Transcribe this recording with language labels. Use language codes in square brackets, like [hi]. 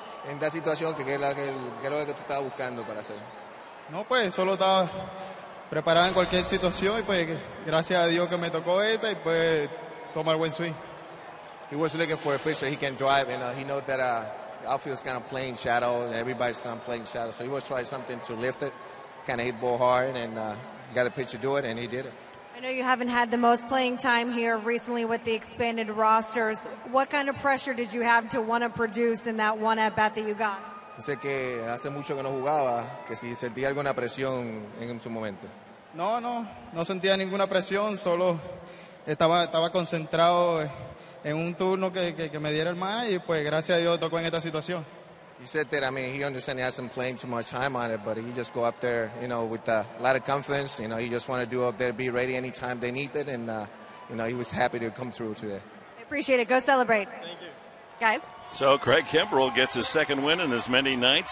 [es] En esta situación, ¿qué es lo que tú estabas buscando para hacer? No, pues, solo estaba preparado en cualquier situación. Y pues, gracias a Dios que me tocó esta y pues, tomar buen swing. [en] He was looking for a pitch so he can drive, and he knows that outfield's kind of playing shadow, and everybody's kind of playing shadow. So he was trying something to lift it, kind of hit ball hard, and got the pitcher to do it, and he did it. I know you haven't had the most playing time here recently with the expanded rosters. What kind of pressure did you have to want to produce in that one at-bat that you got? [es] Dice que hace mucho que no jugaba, que si sentía alguna presión en su momento. No sentía ninguna presión, solo estaba concentrado en un turno que me diera el manager, y pues gracias a Dios tocó en esta situación. [en] He said that, I mean, he understands he hasn't played too much time on it, but he just go up there, you know, with a lot of confidence. You know, he just want to do up there, be ready anytime they need it, and, you know, he was happy to come through today. I appreciate it. Go celebrate. Thank you. Guys. So Craig Kimbrell gets his second win in as many nights.